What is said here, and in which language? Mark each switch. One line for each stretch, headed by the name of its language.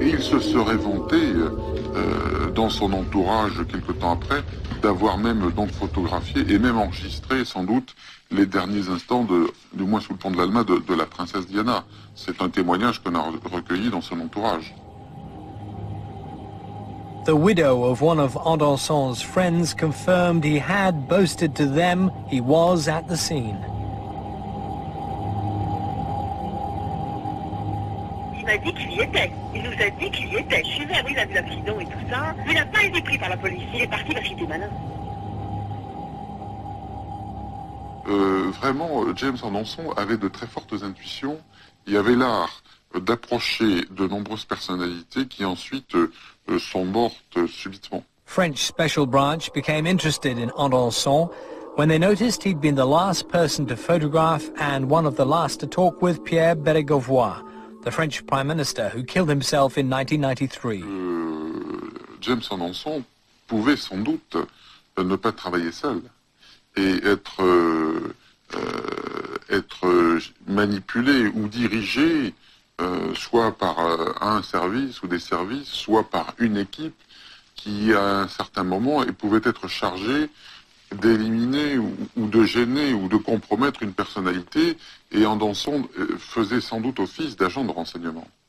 French: Et il se serait vanté dans son entourage quelque temps après d'avoir même donc photographié et même enregistré sans doute les derniers instants du moins sous le pont de l'Alma de la princesse Diana. C'est un témoignage qu'on a recueilli dans son entourage.
English: The widow of one of Anderson's friends confirmed he had boasted to them he was at the scene.
French: Il a dit qu'il y était. Il nous a dit qu'il y était. Je suis arrivé à des accidents et tout ça. Mais il n'a pas été pris par la police. Il est parti parce qu'il était malin. Vraiment, James Anderson avait de très fortes intuitions. Il avait l'art d'approcher de nombreuses personnalités qui ensuite sont mortes subitement.
English: French Special Branch became interested in Anderson when they noticed he'd been the last person to photograph and one of the last to talk with Pierre Bergoglio, the French Prime Minister who killed himself in 1993.
French: James Anderson pouvait sans doute ne pas travailler seul et être manipulé ou dirigé soit par un service ou des services, soit par une équipe qui à un certain moment pouvait être chargée d'éliminer ou de gêner ou de compromettre une personnalité et Anderson faisait sans doute office d'agent de renseignement.